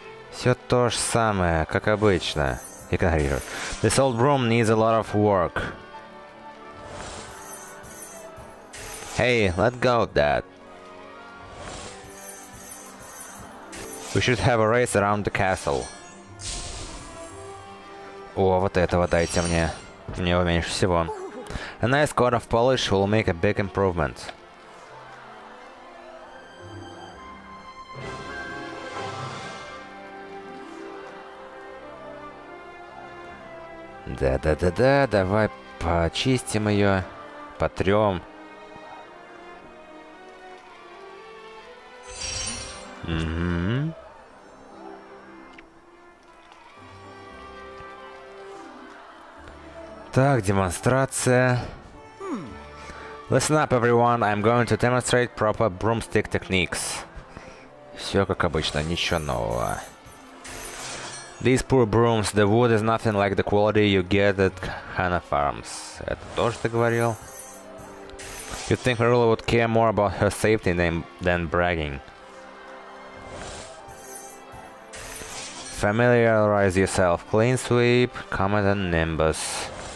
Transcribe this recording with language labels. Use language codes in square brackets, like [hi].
[ru] Все то же самое, как обычно. Игнорирую. [en] This old broom needs a lot of work. Hey, let go of that. We should have a race around the castle. [ru] О, вот этого дайте мне. Мне его меньше всего. [en] A nice coat of polish will make a big improvement. [ru] Да-да-да-да, давай почистим ее. Потрем. Mm-hmm. Так, демонстрация. [en] Listen up, everyone. I'm going to demonstrate proper broomstick techniques. [ru] Все как обычно, ничего нового. [en] These poor brooms, the wood is nothing like the quality you get at Hanna Farms. [ru] Это тоже ты говорил. [en] You think Marilla would care more about her safety than bragging? Familiarize yourself. Clean sweep, Comet and Nimbus.